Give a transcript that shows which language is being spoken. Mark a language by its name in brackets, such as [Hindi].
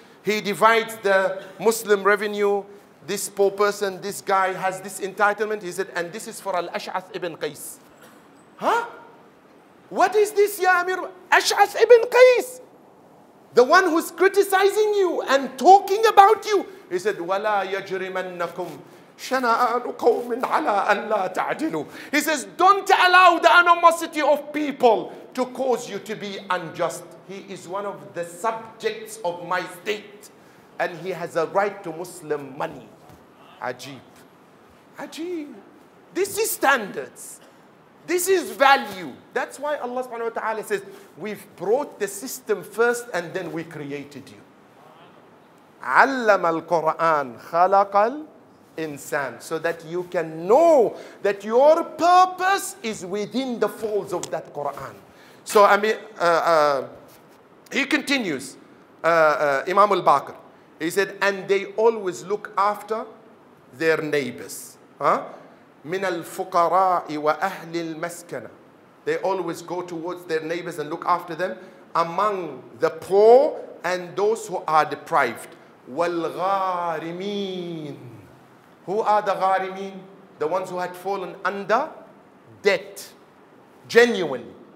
[English] He divides the Muslim revenue. This poor person, this guy has this entitlement. He said, and this is for Al-Ash'ath ibn Qais. Huh? What is this, Ya Amir? Ash'ath ibn Qais. The one who's criticizing you and talking about you. He said, [Arabic] وَلَا يَجْرِمَنَّكُمْ شَنَآنُ قَوْمٍ عَلَىٰ أَنْ لَا تَعْدِلُوا. [English] He says, don't allow the animosity of people to cause you to be unjust. He is one of the subjects of my state. And he has a right to Muslim money. Ajeeb. Ajeeb. This is standards. This is value. That's why Allah subhanahu wa ta'ala says, we've brought the system first and then we created you. [Arabic] عَلَّمَ الْقُرْآنَ خَلَقَ الْإِنسَانَ [English] so that you can know that your purpose is within the folds of that Qur'an. So, I mean, he continues, Imam al-Baqir, he said, and they always look after their neighbors. [Arabic] من الفقراء وأهل المسكنة. [English] They always go towards their neighbors and look after them. Among the poor and those who are deprived. [Arabic] والغارمين. [English] Who are the غارمين? The ones who had fallen under debt. Genuine.